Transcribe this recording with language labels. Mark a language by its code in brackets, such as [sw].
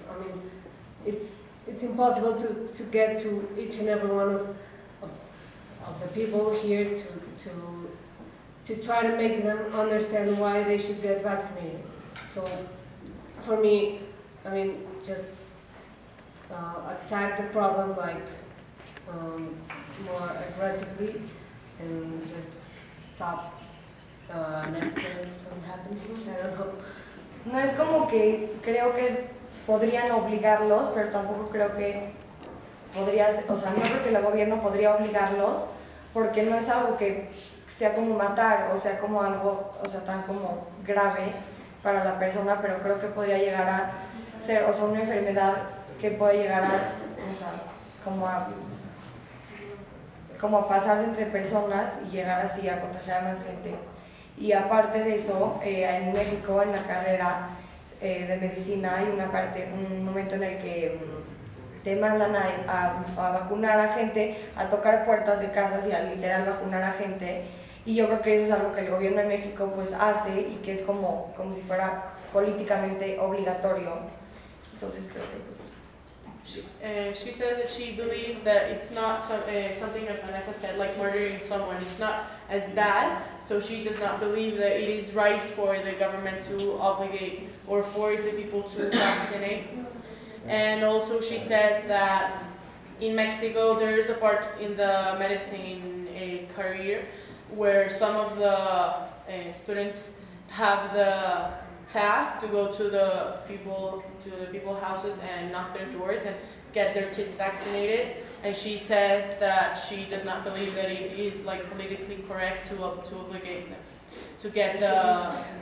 [en] I mean, it's impossible to get to each and every one of the people here to try to make them understand why they should get vaccinated. So for me, attack the problem like more aggressively and just stop anything from happening. I don't know. [es] No es como que creo que podrían obligarlos, pero tampoco creo que no creo que el gobierno podría obligarlos, porque no es algo que sea como matar, o sea, como algo, o sea, tan como grave para la persona, pero creo que podría llegar a ser, o sea, una enfermedad que puede llegar a, o sea, como a pasarse entre personas y llegar así a contagiar a más gente. Y aparte de eso, en México, en la carrera de medicina, hay una parte, un momento en el que te mandan a vacunar a gente, a tocar puertas de casas y a literal vacunar a gente, y yo creo que eso es algo que el gobierno de México pues hace y que es como si fuera políticamente obligatorio. Entonces creo que pues [en] She said that she believes that it's not something, as Vanessa said, like murdering someone. It's not as bad, so she does not believe that it is right for the government to obligate or force the people to vaccinate. And also she says that in Mexico there is a part in the medicine career where some of the students have the task to go to the people houses and knock their doors and get their kids vaccinated, and she says that she does not believe that it is like politically correct to obligate them to get the.